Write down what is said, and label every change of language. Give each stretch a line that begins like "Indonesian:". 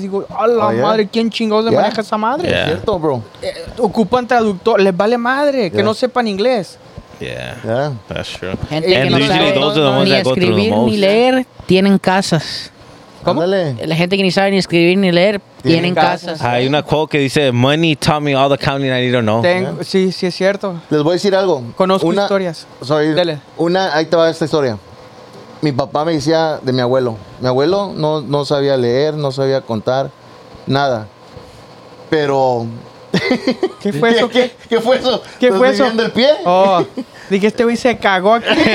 Spanish: Digo, a la madre, ¿quién chingados de maneja esa madre? Yeah. ¿Cierto, bro? Ocupan traductor, les vale madre que no sepan inglés.
English: Yeah, yeah, that's true.
Spanish: Ni escribir ni leer tienen casas. ¿Cómo? La gente que ni sabe ni escribir ni leer tienen casas. Hay una quote que dice,
English: money taught me all the counting I need to know.
Spanish: Sí, es cierto. Les voy a decir algo. Conozco una, historias. Sorry, dele. Una, ahí te va esta historia. Mi papá me decía de mi abuelo. Mi abuelo no sabía leer, no sabía contar, nada. Pero... ¿Qué fue eso? ¿Qué fue eso? ¿Qué fue eso? ¿Del pie? Oh, dije, este güey se cagó aquí.